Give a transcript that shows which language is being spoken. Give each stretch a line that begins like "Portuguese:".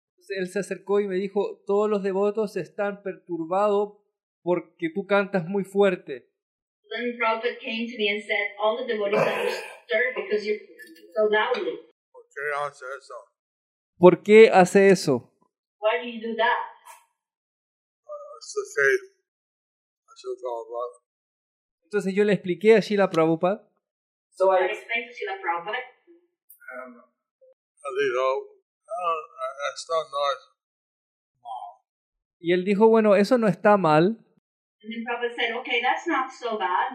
Spanish: Él se acercó y me dijo, todos los devotos están perturbados porque tú cantas muy fuerte.
English: Then Prabhupada came to me and said, all the devotees are disturbed because you're so loudly.
Spanish: ¿Por qué hace eso? ¿Por qué hace eso?
English: Why do you do that? It's the faith. That's what it's all about.
Spanish: Entonces yo le expliqué a Srila Prabhupada.
English: So I explained to Srila Prabhupada. And he said, that's not nice.
Spanish: Y él dijo, bueno, eso no está mal.
English: And then Prabhupada said, okay, that's not so bad.